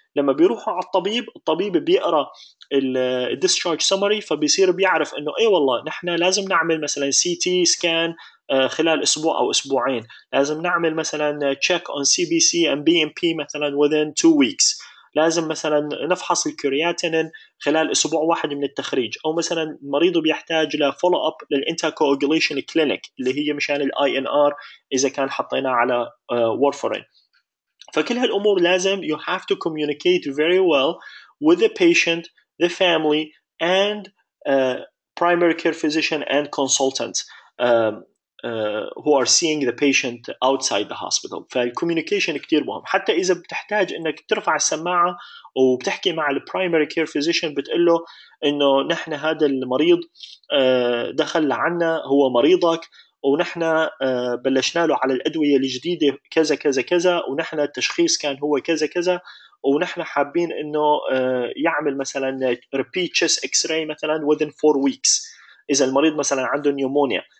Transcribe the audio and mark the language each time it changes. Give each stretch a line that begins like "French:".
Arabic: لما بيروحوا على الطبيب، الطبيب بيقرأ الديسشارج سمري، فبيصير بيعرف انه ايه والله نحن لازم نعمل مثلا سي تي سكان خلال اسبوع او اسبوعين، لازم نعمل مثلا تشيك اون سي بي سي ام بي ام بي مثلا
English: within 2 weeks،
Arabic: لازم مثلا نفحص الكرياتينين خلال اسبوع واحد من التخريج، او مثلا مريضه بيحتاج لفولو اب للانتكوجوليشن كلينيك اللي هي مشان الاي ان ار اذا كان حطيناه على وارفارين. فكل هالامور لازم
English: you have to communicate very well with the patient, the family and primary care physician and consultants who are seeing the patient outside the hospital.
Arabic: فالكوميونيكيشن كتير مهم، حتى إذا بتحتاج إنك ترفع السماعة وبتحكي مع البرايمري كير فيزيشن بتقول له إنه نحن هذا المريض دخل لعنا، هو مريضك ونحن بلشنا له على الأدوية الجديدة كذا كذا كذا، ونحن التشخيص كان هو كذا كذا، ونحن حابين إنه يعمل مثلا
English: repeat chest x-ray
Arabic: مثلا
English: within 4 weeks
Arabic: إذا المريض مثلا عنده نيومونيا.